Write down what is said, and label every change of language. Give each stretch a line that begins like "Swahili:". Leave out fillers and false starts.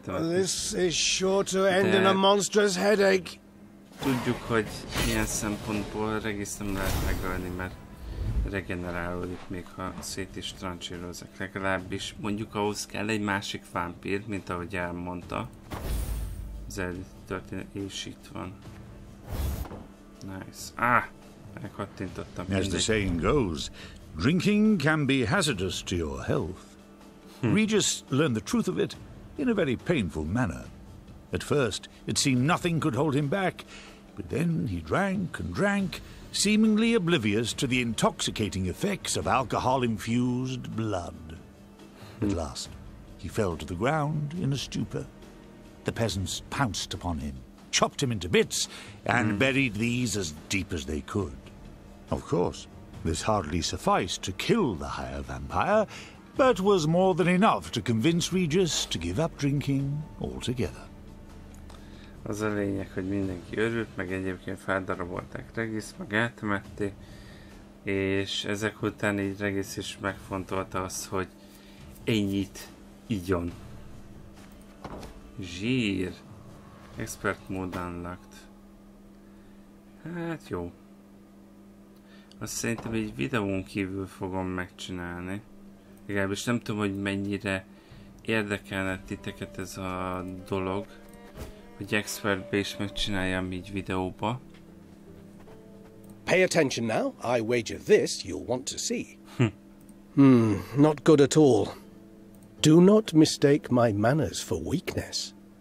English: This is sure to end in a monstrous headache.
Hungarian: Tudjuk, hogy ilyen szempontból regiszt nem lehet megölni, mert regenerálódik, még ha szét is trancsírozik. Legalábbis mondjuk ahhoz kell egy másik vámpír, mint ahogy elmondta. Az történet is itt van.
English: Nice.
Hungarian: Ah! Meghattintottam mindig.
English: As the saying goes, drinking can be hazardous to your health. Regis learned the truth of it in a very painful manner. At first, it seemed nothing could hold him back, but then he drank and drank, seemingly oblivious to the intoxicating effects of alcohol-infused blood. At last, he fell to the ground in a stupor. The peasants pounced upon him, chopped him into bits, and buried these as deep as they could. Of course, this hardly sufficed to kill the higher vampire, but was more than enough to convince Regis to give up drinking altogether.
Hungarian: Az a lényeg, hogy mindenki örült, meg egyébként feldarabolták Regis, meg eltemették, és ezek után így Regis is megfontolta azt, hogy ennyit igyon. Zsír.
English: Expert mode unlocked.
Hungarian: Hát jó. Azt szerintem egy videón kívül fogom megcsinálni. Legalábbis nem tudom, hogy mennyire érdekelne titeket ez a dolog, hogy expertbe is megcsináljam így videóba.
English: Pay attention now. I wager this you'll want to see. Not good at all. Do not mistake my manners for weakness.